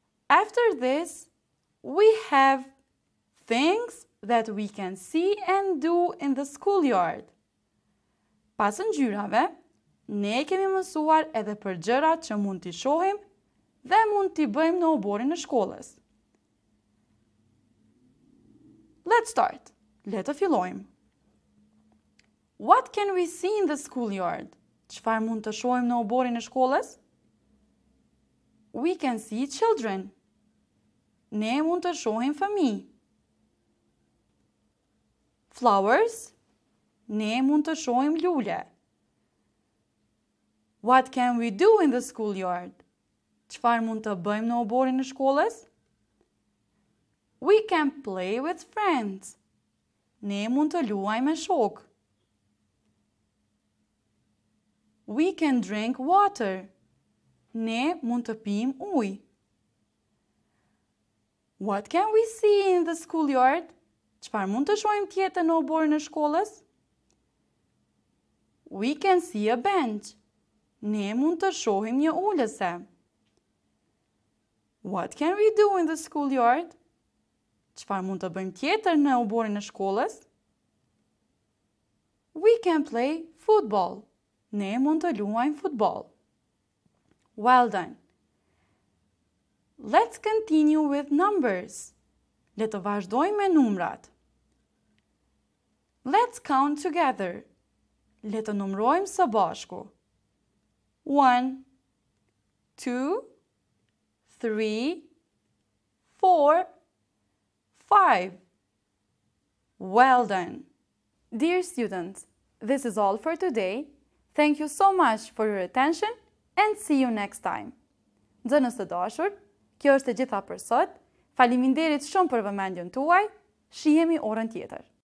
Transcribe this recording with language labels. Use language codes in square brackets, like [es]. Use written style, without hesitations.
[en] After this, we have things that we can see and do in the schoolyard. [sq] Pas ngjyrave, ne kemi mësuar edhe për gjërat që mund t'i shohim dhe mund t'i bëjmë në oborin e shkollës. [en] Let's start. [sq] Le të fillojmë. [en] What can we see in the schoolyard? [sq] Çfar mund të shohim në oborin e shkollës? [en] We can see children. [sq] Ne mund të shohim fëmijë. Flowers. Ne mund të shohim lule. [en] What can we do in the schoolyard? [sq] Çfar mund të bëjmë në oborin e shkollës? [en] We can play with friends. [sq] Ne mund të luajmë me shok. [en] We can drink water. [sq] Ne mund të pim uj. [en] What can we see in the schoolyard? [sq] Çfar mund të shohim tjetër në oborin e shkollës? [en] We can see a bench. [sq] Ne mund të shohim një ulëse. [en] What can we do in the schoolyard? [sq] Çfar mund të bëjmë tjetër në oborin e shkollës? [en] We can play football. [sq] Ne mund të luajmë futboll. [en] Well done. Let's continue with numbers. [sq] Le të vazhdojmë me numrat. [en] Let's count together. [sq] Le të numrojmë së bashku. [en] 1, 2, 3, 4, 5. Well done. Dear students, this is all for today. Thank you so much for your attention and see you next time. [sq] Nxënës të dashur, kjo është e gjitha për sot. Faleminderit shumë për vëmendjen tuaj. Shihemi orën tjetër.